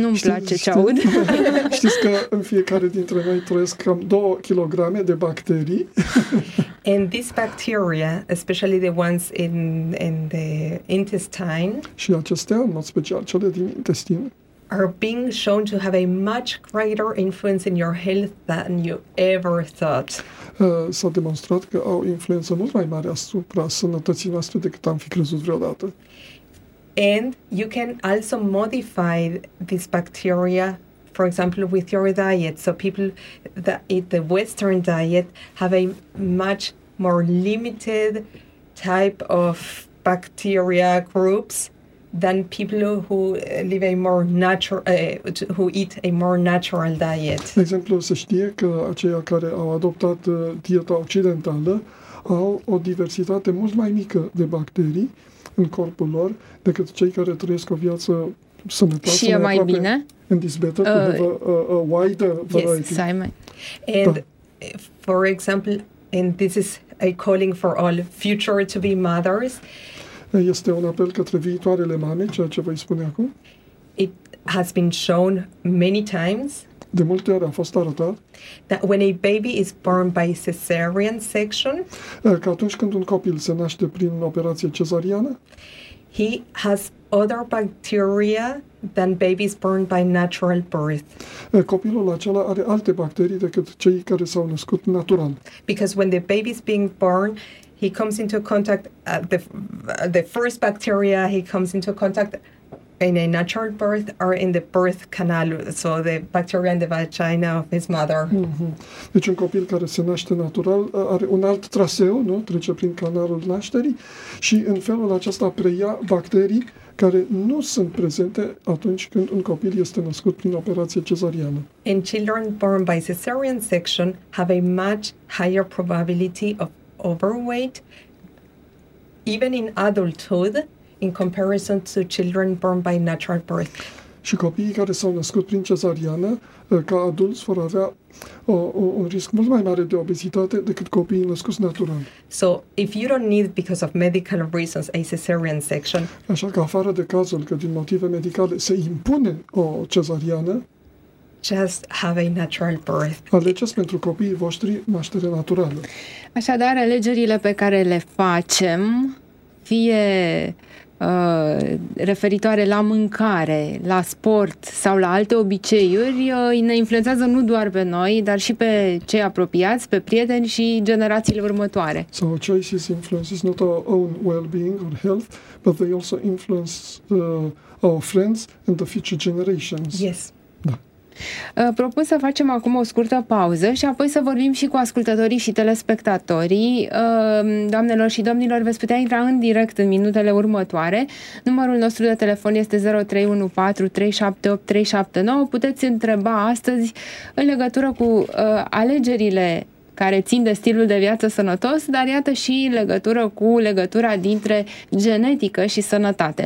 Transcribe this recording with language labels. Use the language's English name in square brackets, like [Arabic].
[Romanian] Nu-mi place ce aud. Știți că în fiecare dintre noi trăiesc cam 2 kilograme de bacterii. [English] And these bacteria, especially the ones in the intestine, [Romanian] și acestea, în mod special, cele din intestin, [English] are being shown to have a much greater influence in your health than you ever thought. [Romanian] S-a demonstrat că au influență mult mai mare asupra sănătății noastre decât am fi crezut vreodată. [English] And you can also modify this bacteria, for example, with your diet. So people that eat the Western diet have a much more limited type of bacteria groups than people who live a more who eat a more natural diet. [Romanian] De exemplu, se știe că aceia care au adoptat dieta occidentală au o diversitate mult mai mică de bacterii în corpul lor decât cei care trăiesc o viață sănătoasă. Și e mai bine? [English] In this better, a wider variety. Yes, Simon. And for example, and this is a calling for all future to be mothers. [Romanian] Este un apel către viitoarele mame, ceea ce voi spune acum. [English] It has been shown many times. [Romanian] De multe ori a fost arătat. [English] That when a baby is born by cesarean section. [Romanian] Că atunci când un copil se naște prin operație cezariană. [English] He has other bacteria than babies born by natural birth. [Romanian] Copilul acela are alte bacterii decât cei care s-au născut natural. [English] Because when the baby is being born, he comes into contact the first bacteria he comes into contact in a natural birth are in the birth canal, so the bacteria in the vagina of his mother. [Romanian] Mm-hmm. Deci un copil care se naște natural are un alt traseu, nu? Trece prin canalul nașterii și în felul acesta preia bacterii care nu sunt prezente atunci când un copil este născut prin operație cezariană. [English] And children born by cesarean section have a much higher probability of overweight, even in adulthood, in comparison to children born by natural birth. [Romanian] Și copiii care s-au născut prin cezariană, ca adulți, vor avea un risc mult mai mare de obezitate decât copiii născuți natural. [English] So, if you don't need, because of medical reasons, a cesarean section, [Romanian] așa că afară de cazul că din motive medicale se impune o cezariană, [English] just have a natural birth. [Romanian] Alegeți pentru copiii voștri naștere naturală. Așadar, alegerile pe care le facem, fie referitoare la mâncare, la sport sau la alte obiceiuri, ne influențează nu doar pe noi, dar și pe cei apropiați, pe prieteni și generațiile următoare. [English] So choices influences not our own well-being or health, but they also influence our friends and the future generations. Yes. [Romanian] Propun să facem acum o scurtă pauză și apoi să vorbim și cu ascultătorii și telespectatorii. Doamnelor și domnilor, veți putea intra în direct în minutele următoare. Numărul nostru de telefon este 0314-378-379. Puteți întreba astăzi în legătură cu alegerile care țin de stilul de viață sănătos, dar iată și în legătură cu legătura dintre genetică și sănătate.